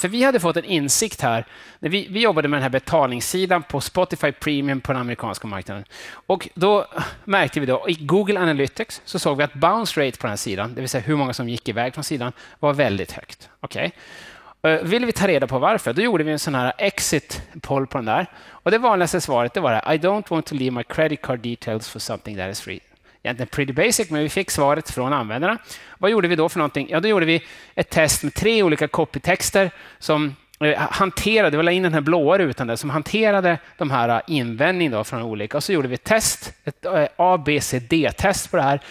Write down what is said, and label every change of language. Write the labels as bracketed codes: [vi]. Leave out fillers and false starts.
[sv] För vi hade fått en insikt här. När vi jobbade med den här betalningssidan på Spotify Premium på den amerikanska marknaden. Och då märkte vi då i Google Analytics så såg vi att bounce rate på den här sidan, det vill säga hur många som gick iväg från sidan, var väldigt högt. Okej. Vill vi ta reda på varför? Då gjorde vi en sån här exit poll på den där. Och det vanligaste svaret det var [en] I don't want to leave my credit card details for something that is free. [sv] Egentligen [en] pretty basic, [sv] men vi fick svaret från användarna. Vad gjorde vi då för någonting? Ja, då gjorde vi ett test med 3 olika copytexter som hanterade, vi la in den här blåa rutan där, som hanterade de här invändningarna från olika. Och så gjorde vi ett test, ett ABCD-test på det här.